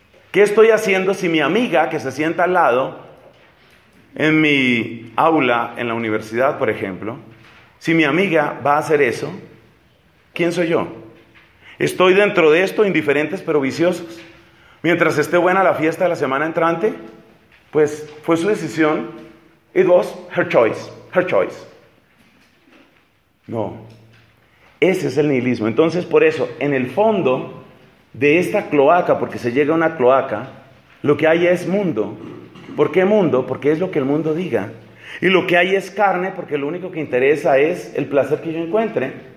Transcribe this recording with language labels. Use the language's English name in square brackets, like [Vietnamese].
[Spanish] ¿Qué estoy haciendo si mi amiga que se sienta al lado en mi aula, en la universidad, por ejemplo, si mi amiga va a hacer eso, ¿quién soy yo? ¿Estoy dentro de esto, indiferentes pero viciosos? Mientras esté buena la fiesta de la semana entrante, pues fue su decisión. [English] It was her choice, her choice. [Spanish] No, ese es el nihilismo. Entonces, por eso, en el fondo de esta cloaca, porque se llega a una cloaca, lo que hay es mundo. ¿Por qué mundo? Porque es lo que el mundo diga. Y lo que hay es carne, porque lo único que interesa es el placer que yo encuentre.